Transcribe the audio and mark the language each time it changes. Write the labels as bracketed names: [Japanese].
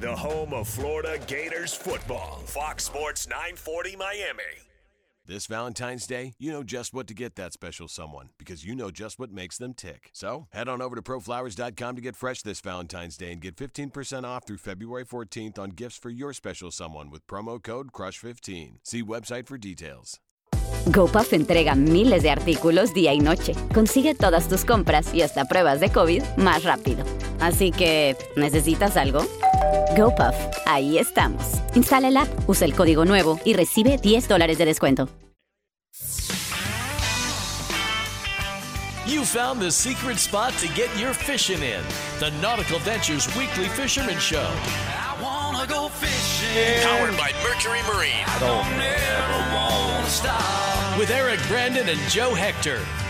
[English] The home of Florida Gators football. Fox Sports 940 Miami. This Valentine's Day, you know just what to get that special someone because you know just what makes them tick. So, head on over to ProFlowers.com to get fresh this Valentine's Day and get 15% off through February 14th on gifts for your special someone with promo code CRUSH15. See website for details. [Spanish] GoPuff entrega miles de artículos día y noche. Consigue todas tus compras y hasta pruebas de COVID más rápido. Así que, ¿necesitas algo? GoPuff, ahí estamos. Instala el app, usa el código nuevo y recibe $10 de descuento. [English] You found the secret spot to get your fishing in. The Nautical Ventures Weekly Fisherman Show. I wanna go fishing. Powered by Mercury Marine. I don't ever wanna stop. With Eric Brandon and Joe Hector.